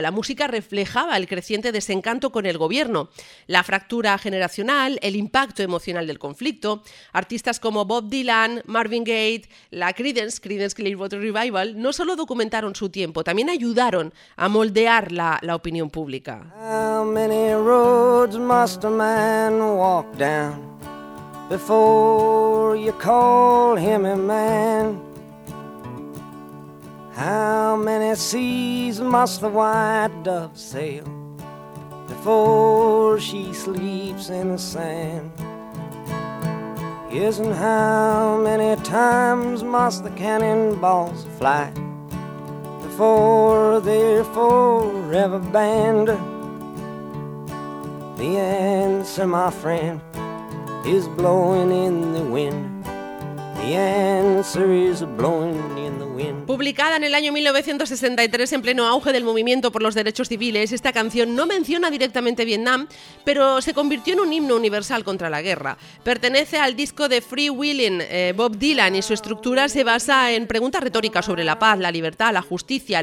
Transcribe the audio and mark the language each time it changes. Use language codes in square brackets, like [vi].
[es] La música reflejaba el creciente desencanto con el gobierno, la fractura generacional, el impacto emocional del conflicto. Artistas como Bob Dylan, Marvin Gaye, la Creedence Clearwater Revival, no solo documentaron su tiempo, también ayudaron a moldear la opinión pública. [en] How many roads must a man walk down before you call him a man? How many seas must the white dove sail before she sleeps in the sand? Yes, and how many times must the cannonballs fly before they're forever banned. The answer, my friend, is blowing in the wind. The answer is blowing in the wind. [es] Publicada en el año 1963 en pleno auge del movimiento por los derechos civiles, esta canción no menciona directamente Vietnam, pero se convirtió en un himno universal contra la guerra. Pertenece al disco de Free Willing, Bob Dylan, y su estructura se basa en preguntas retóricas sobre la paz, la libertad, la justicia.